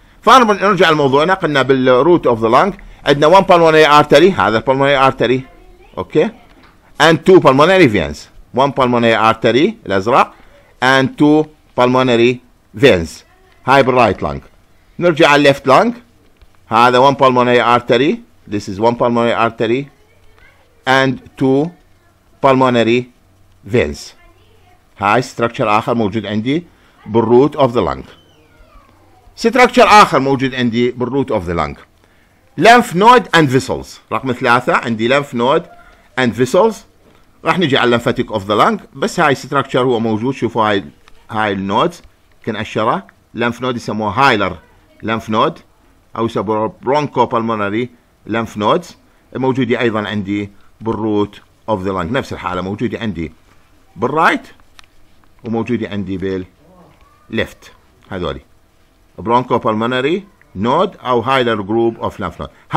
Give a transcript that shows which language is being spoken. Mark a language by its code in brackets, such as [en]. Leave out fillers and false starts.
[ar] فانا نرجع لموضوعنا، قلنا [en] بالروت of the lung عندنا one pulmonary artery, هذا البلمونري artery, okay, and two pulmonary veins. One pulmonary artery الأزرق and two pulmonary veins. هاي بالرايت لانج. [ar] نرجع على [en] الليفت لانج، هذا one pulmonary artery. This is one pulmonary artery and two pulmonary veins. [ar] هاي structure آخر موجود عندي بالروت [en] of the lung. Structure [ar] آخر موجود عندي [en] بالروت of the lung. Lymph node and vessels. [ar] رقم ثلاثة عندي [en] lymph node and vessels. [ar] راح نجي على lymphatic of the lung، بس هاي ستراكشر هو موجود، شوفوا هاي هاي النود كان اشره lymph node، يسموها هايلر lymph node او يسموها bronchopulmonary lymph nodes، موجودة ايضا عندي بالroot of the lung، نفس الحالة موجودة عندي بالright وموجودة عندي بالleft، هذولي bronchopulmonary node او هايلر [en] group of lymph node.